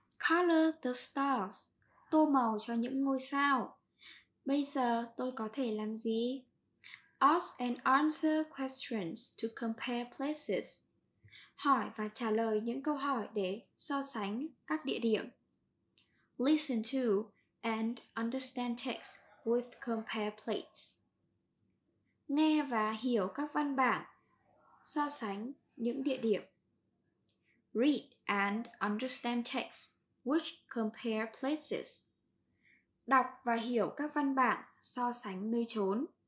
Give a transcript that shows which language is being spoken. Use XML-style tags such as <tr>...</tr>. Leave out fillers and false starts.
<en>Color the stars.</en> <vi>Tô màu cho những ngôi sao. Bây giờ tôi có thể làm gì?</vi> <en>Ask and answer questions to compare places.</en> <vi>Hỏi và trả lời những câu hỏi để so sánh các địa điểm.</vi> <en>Listen to and understand text with compare plates.</en> <vi>Nghe và hiểu các văn bản, so sánh những địa điểm.</vi> <en>Read and understand text which compare places.</en> <vi>Đọc và hiểu các văn bản, so sánh nơi chốn.</vi>